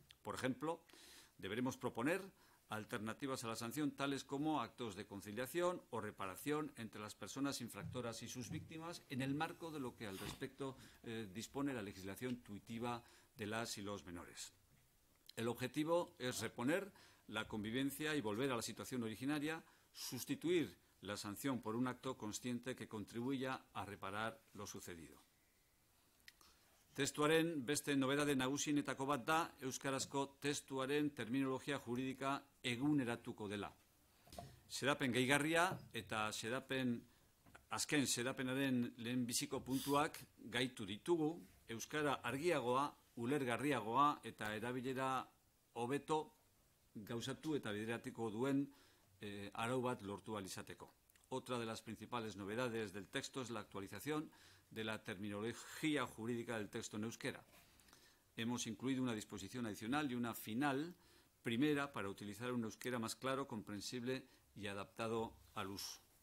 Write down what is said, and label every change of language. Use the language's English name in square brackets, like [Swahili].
[Spanish] Por ejemplo, deberemos proponer alternativas a la sanción, tales como actos de conciliación o reparación entre las personas infractoras y sus víctimas, en el marco de lo que al respecto dispone la legislación tutiva de las y los menores. El objetivo es reponer la convivencia y volver a la situación originaria, sustituir la sanción por un acto consciente que contribuya a reparar lo sucedido. [Basque] Testuaren beste nobedade nagusienetako bat da, euskarazko testuaren terminologia juridika eguneratuko dela. Xedapen gehigarria eta xedapenaren lehenbiziko puntuak gaitu ditugu, euskara argiagoa, ulergarriagoa eta erabilera hobeto gauzatu eta bideratiko duen arau bat lortu alizateko. [Spanish] Otra de las principales novedades del texto es la actualización de la terminología jurídica del texto en euskera. Hemos incluido una disposición adicional y una final primera para utilizar un euskera más claro, comprensible y adaptado al uso.